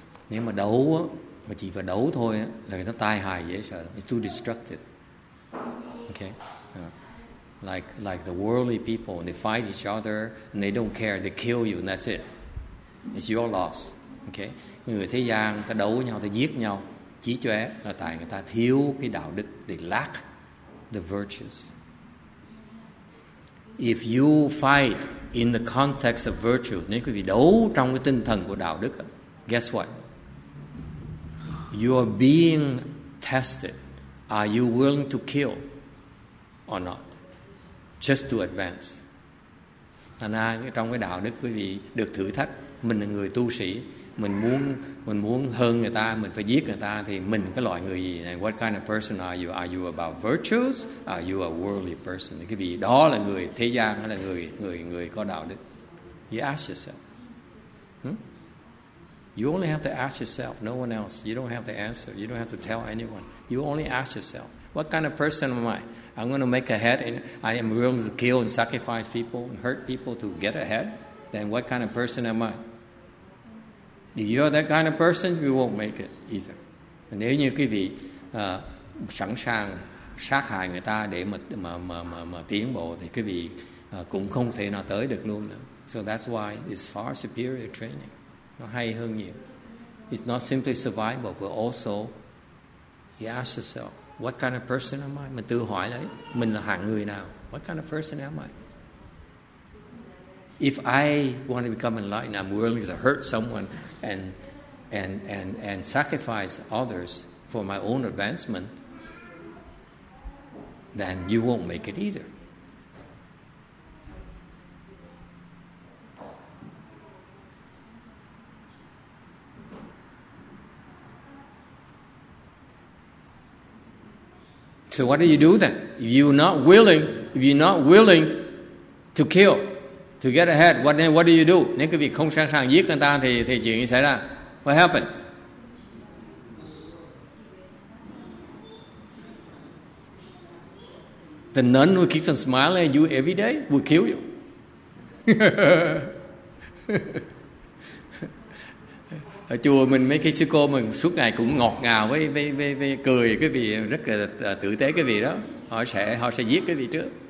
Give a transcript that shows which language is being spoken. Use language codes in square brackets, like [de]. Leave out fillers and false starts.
[vi] Nếu mà đấu á, mà chỉ vào đấu thôi á, là nó tai hại dễ sợ. [en] It's too destructive. Okay? Like the worldly people, they fight each other, and they don't care, they kill you, and that's it. It's your loss. Okay? [vi] Người thế gian, ta đấu nhau, ta giết nhau, chí chóe là tại người ta thiếu cái đạo đức, [en] they lack the virtues. If you fight in the context of virtue, [vi] nếu quý vị đấu trong cái tinh thần của đạo đức, [en] guess what? You are being tested. Are you willing to kill or not? Just to advance. [vi] Thành ra trong cái đạo đức quý vị được thử thách. Mình là người tu sĩ. mình muốn hơn người ta, mình phải giết người ta, thì mình cái loại người gì này? [en] What kind of person are you? Are you about virtues? Are you a worldly person? [vi] Cái vị đó là người thế gian hay là người có đạo đức? [en] You ask yourself. You only have to ask yourself, no one else. You don't have to answer. You don't have to tell anyone. You only ask yourself, what kind of person am I? I'm going to make ahead, and I am willing to kill and sacrifice people and hurt people to get ahead. Then what kind of person am I? If you're that kind of person, you won't make it either. [vi] Nếu như quý vị sẵn sàng sát hại người ta để mà tiến bộ, thì quý vị cũng không thể nào tới được luôn nữa. [en] So that's why it's far superior training. [vi] Nó hay hơn nhiều. [en] It's not simply survival, but also you ask yourself, what kind of person am I? [vi] Mình tự hỏi lấy, mình là hạng người nào? [en] What kind of person am I? If I want to become enlightened, I'm willing to hurt someone and sacrifice others for my own advancement, then you won't make it either. So what do you do then? If you're not willing, if you're not willing to kill, to get ahead, what do you do? [vi] Nếu quý vị không sẵn sàng giết người ta thì chuyện gì xảy ra? [en] What happens? The nun who keeps on smiling at you every day will kill you. [vi] Ở chùa mình mấy cái sư cô mình suốt ngày cũng ngọt ngào với cười cái vị rất là tử tế cái vị đó, họ sẽ giết cái vị trước.